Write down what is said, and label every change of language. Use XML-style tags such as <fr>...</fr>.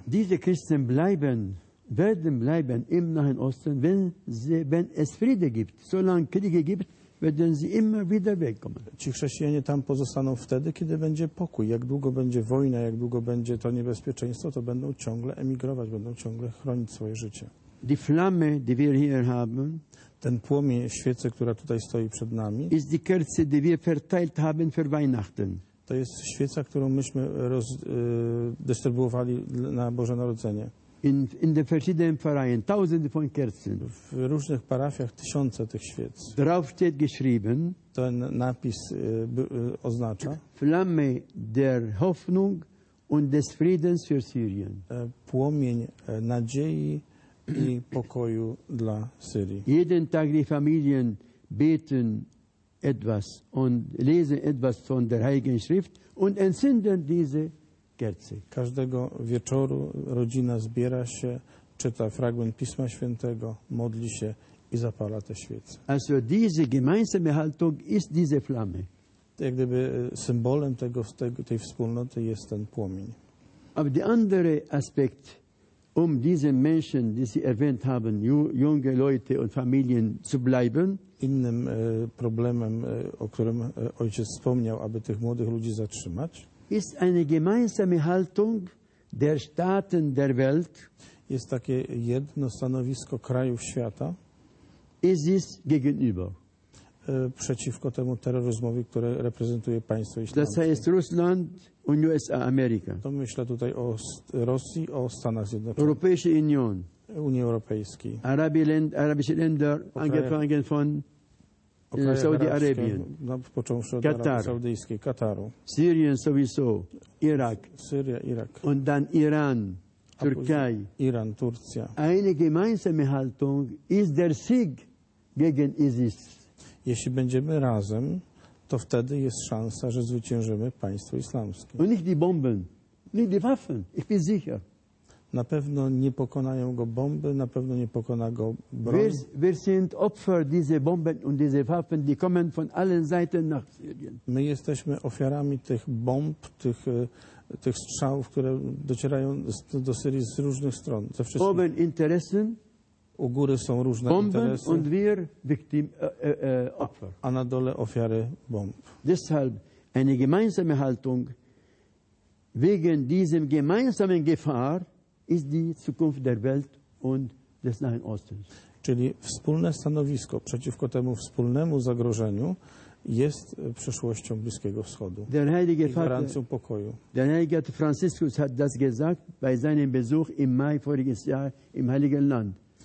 <de>Diese Christen werden bleiben im Nahen Osten, wenn es Friede gibt. Solange Kriege gibt, werden sie immer wieder wegkommen.</de> <pl>Ci chrześcijanie tam pozostaną wtedy, kiedy będzie pokój. Jak długo będzie wojna, jak długo będzie to niebezpieczeństwo, to będą ciągle emigrować, będą ciągle chronić swoje życie.</pl> <de>Die Flamme, die wir hier haben,</de> <pl>ten płomień, świece, która tutaj stoi przed nami,</pl> <de>ist die Kerze, die wir verteilt haben für Weihnachten.</de> <pl>To jest świeca, którą myśmy dystrybuowali na Boże Narodzenie.</pl> <de>In den verschiedenen Pfarreien, tausende von Kerzen.</de> <pl>W różnych parafiach tysiące tych świec.</pl> <de>Drauf steht geschrieben,</de> <pl>ten napis oznacza</pl> <de>Flamme der Hoffnung und des Friedens für Syrien.</de> <pl>Płomień nadziei i pokoju dla Syrii.</pl> <de>Jeden Tag die Familien beten etwas und lesen etwas von der Heiligen Schrift und entzünden diese Kerze.</de> <pl>Każdego wieczoru rodzina zbiera się, czyta fragment Pisma Świętego, modli się i zapala te świece.</pl> <de>Also diese gemeinsame Haltung ist diese Flamme.</de> <pl>Jak gdyby symbolem tej wspólnoty jest ten płomień.</pl> <de>Aber der andere Aspekt, diese Menschen, die Sie erwähnt haben, junge Leute und Familien zu bleiben.</de> <pl>Innym problemem, o którym ojciec wspomniał, aby tych młodych ludzi zatrzymać,</pl> <de>ist eine gemeinsame Haltung der Staaten der Welt.</de> <pl>Jest takie jedno stanowisko krajów świata.</pl> <de>Ist es gegenüber.</de> <pl>Przeciwko temu terroryzmowi, które reprezentuje państwo islamskie.</pl> <de>Das heißt Russland und USA, Amerika.</de> <pl>To myślę tutaj o Rosji, o Stanach Zjednoczonych.</pl> <de>Europäische Union.</de> <pl>Unii Europejskiej.</pl> <de>Arabische Länder, angefangen von Saudi-Arabien.</de> <pl>No, począwszy od Arabii Saudyjskiej, Kataru.</pl> <de>Syrien sowieso, Irak.</de> <pl>Syria, Irak.</pl> <de>Und dann Iran, Türkei.</de> <pl>Iran, Turcja.</pl> <de>Eine gemeinsame Haltung ist der Sieg gegen ISIS.</de> <pl>Jeśli będziemy razem, to wtedy jest szansa, że zwyciężymy państwo islamskie.</pl> <de>Und nicht die Bomben, nicht die Waffen, ich bin sicher.</de> <pl>Na pewno nie pokonają go bomby, na pewno nie pokona go broń.</pl> <de>Wir sind Opfer dieser Bomben und dieser Waffen, die kommen von allen Seiten nach Syrien.</de> <pl>My jesteśmy ofiarami tych bomb, tych strzałów, które docierają do Syrii z różnych stron, ze wszystkich.</pl> <de>Oben Interessen.</de> <pl>U góry są różne</pl> <de>Bomben</de> <pl>interesy,</pl> <de>und wir victim, Opfer.</de> <pl>A na dole ofiary bomb.</pl> <de>Deshalb eine gemeinsame Haltung wegen diesem gemeinsamen Gefahr ist die Zukunft der Welt und des Nahen Ostens.</de> <pl>Czyli wspólne stanowisko przeciwko temu wspólnemu zagrożeniu jest przyszłością Bliskiego Wschodu.</pl> <de>Der Heilige Vater,</de> <pl>gwarancją pokoju.</pl> <de>Der Heilige Franziskus hat das gesagt bei seinem Besuch im Mai voriges Jahr im Heiligen Land.</de>